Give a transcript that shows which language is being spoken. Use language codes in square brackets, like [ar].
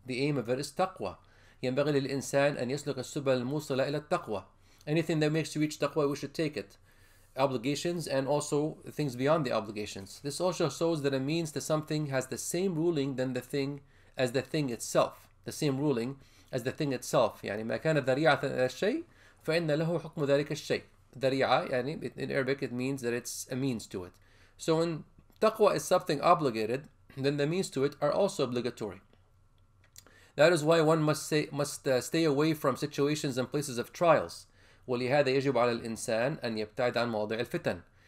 [en] The aim of it is taqwa. [ar] يَنْبَغِي لِلْإِنسَانِ أَنْ يَسْلُكَ السُّبَلَ الْمُوصِلَ إِلَى التَّقْوَى. [en] Anything that makes you reach taqwa, we should take it. Obligations and also things beyond the obligations. This also shows that a means to something has the same ruling than the thing as the thing itself. The same ruling as the thing itself. [ar] يعني ما كان ذريعة الشيء فإن له حكم ذلك الشيء. [en] ذريعة, يعني in Arabic it means that it's a means to it. So when taqwa is something obligated, then the means to it are also obligatory. That is why one must stay away from situations and places of trials. [ar] وَلِهَذَا يَجِبُ عَلَى الْإِنسَانِ أَنْ يَبْتَعِدَ عَنْ مَوَضِعِ الْفِتَنِ.